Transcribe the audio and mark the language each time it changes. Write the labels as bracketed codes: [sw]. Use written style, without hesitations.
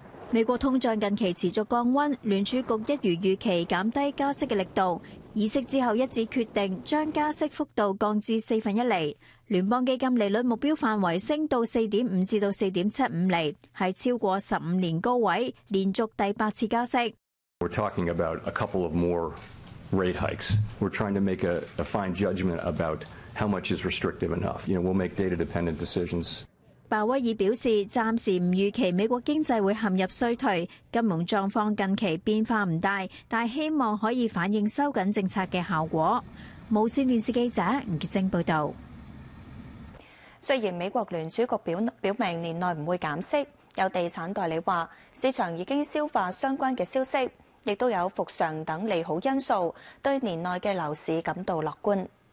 [yue] 美國通脹近期持續降溫，聯儲局一如預期減低加息嘅力度。議息之後一致決定將加息幅度降至1/4厘，聯邦基金利率目標範圍升到4.5至4.75厘，係超過15年高位，連續第8次加息。 [en] We're talking about a couple of more rate hikes. We're trying to make a fine judgment about how much is restrictive enough. You know, we'll make data-dependent decisions. [yue] 鲍威尔表示，暂时不预期美国经济会陷入衰退，金融状况近期变化不大，但希望可以反映收紧政策的效果。无线电视记者吴洁晶报道。虽然美国联储局表明年内不会减息，有地产代理说市场已经消化相关的消息，亦都有复常等利好因素，对年内的楼市感到乐观。